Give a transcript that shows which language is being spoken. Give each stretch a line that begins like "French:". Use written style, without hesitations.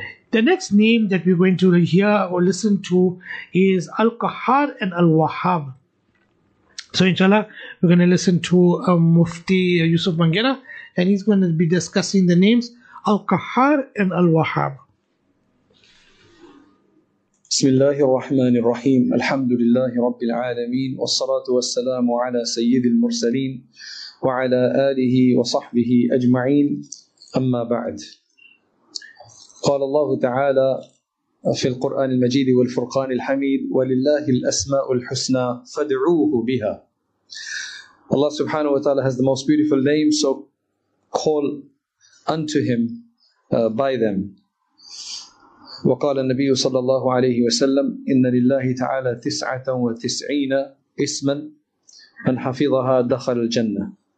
English: The next name that we're going to hear or listen to is Al-Qahhar and Al-Wahhab. So inshallah, we're going to listen to Mufti Yusuf Mangera, and he's going to be discussing the names Al-Qahhar and Al-Wahhab.
Arabic: بسم الله الرحمن الرحيم الحمد لله رب العالمين والصلاة والسلام على سيد المرسلين وعلى آله وصحبه أجمعين أما بعد قال الله تعالى في القرآن المجيد والفرقان الحميد ولله الأسماء الحسنى فادعوه بها.
English: Allah subhanahu wa ta'ala has the most beautiful name, so call unto him by them.
Arabic: وقال النبي صلى الله عليه وسلم إن لله تعالى 99 اسما من حفظها دخل الجنة.